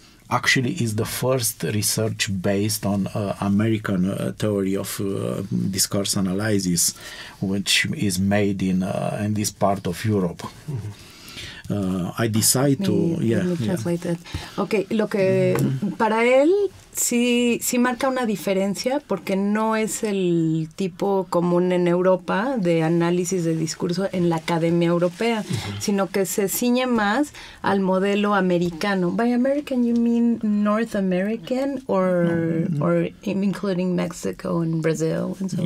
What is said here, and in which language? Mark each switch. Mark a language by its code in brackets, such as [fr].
[en] Actually, it's the first research based on American theory of discourse analysis, which is made in this part of Europe. Mm-hmm. I decide to translate it. [es] Okay, lo que para él sí marca una diferencia porque no es el tipo común en Europa de análisis de discurso en la academia europea, sino que se ciñe más al modelo americano. [en] By American you mean North American or including Mexico and Brazil and so on.